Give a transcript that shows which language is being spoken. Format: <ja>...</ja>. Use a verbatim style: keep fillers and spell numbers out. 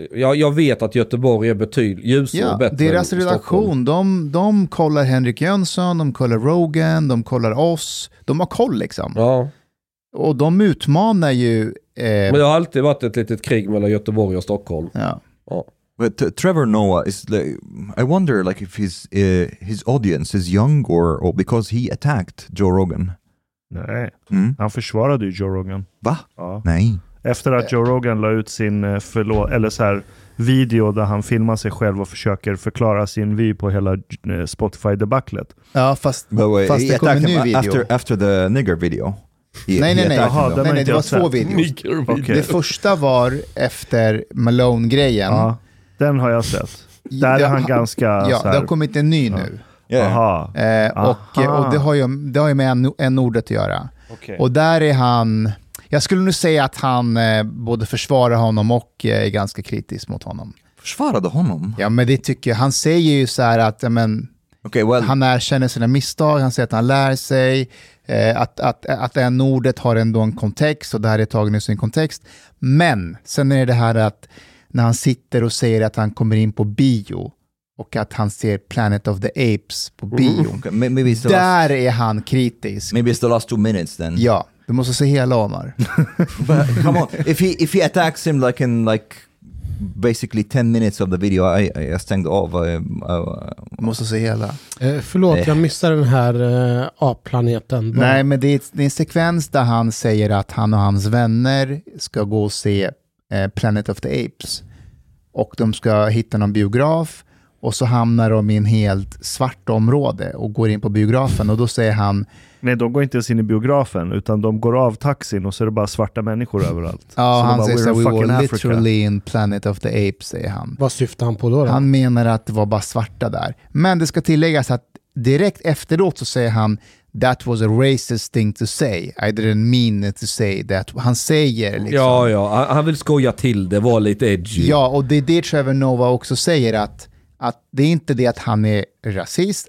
<sv>Ja, jag vet att Göteborg är betydligt ljusare ja, och bättre. Deras redaktion, de, de kollar Henrik Jönsson, de kollar Rogan, de kollar oss. De har koll liksom. Ja. Och de utmanar ju... Eh... Men det har alltid varit ett litet krig mellan Göteborg och Stockholm. Ja. Ja.</sv> <en>But uh, Trevor Noah is like, I wonder like if his uh, his audience is young or, or because he attacked Joe Rogan.</en> <sv>Nej, mm. han försvarade ju Joe Rogan. Va? Ja. Nej. Efter att Joe Rogan la ut sin förlo- eller så här video där han filmar sig själv och försöker förklara sin vy på hela Spotify-debaclet. Ja, fast, way, fast det kom en ny video.</sv> <en>After, after the nigger video.</en> <sv>He, nej, he nej, nej. Aha, nej, nej, nej. Det var två videos. Okay. Det första var efter Malone-grejen. Ja. Den har jag sett. Där ja, är han ganska... Ja, så här, det har kommit en ny nu.</sv> <en>Yeah. Aha.</en> <sv>Eh, och Aha. och det, har ju, det har ju med en, en ordet att göra.</sv> <en>Okay.</en> <sv>Och där är han... Jag skulle nog säga att han eh, både försvarar honom och eh, är ganska kritisk mot honom. Försvarade honom? Ja, men det tycker jag. Han säger ju så här att men,</sv> <en>okay, well.</en> <sv>han erkänner sina misstag. Han säger att han lär sig. Eh, att, att, att en ordet har ändå en kontext och det här är tagen i sin kontext. Men sen är det här att när han sitter och säger att han kommer in på bio och att han ser Planet of the Apes på bio. Mm,</sv> <en>okay. Maybe it's the</en> <sv>där</sv> <en>last...</en> <sv>är han kritisk.</sv> <en>Maybe it's the last two minutes then.</en> <sv>Ja, du måste se hela Omar.</sv> <en>But come on, if he, if he attacks him like in like basically ten minutes of the video, I, I</en> <sv>stängde av.</sv> <en>I, I, I...</en> <sv>måste se hela. Eh, förlåt, eh. jag missade den här eh, A-planeten. Bara. Nej, men det är, det är en sekvens där han säger att han och hans vänner ska gå och se Planet of the Apes och de ska hitta någon biograf och så hamnar de i en helt svart område och går in på biografen och då säger han nej, de går inte ens in i biografen utan de går av taxin och så är det bara svarta människor överallt. Ja, så han bara, säger så,</sv> <en>we were literally in Planet of the Apes,</en> <sv>säger han. Vad syftar han på då, då? Han menar att det var bara svarta där. Men det ska tilläggas att direkt efteråt så säger han</sv> <en>that was a racist thing to say. I didn't mean to say that.</en> <sv>Han säger liksom... Ja, ja. Han vill skoja till det. Var lite edgy. Ja, och det är det Trevor Noah också säger att, att det är inte det att han är rasist.</sv>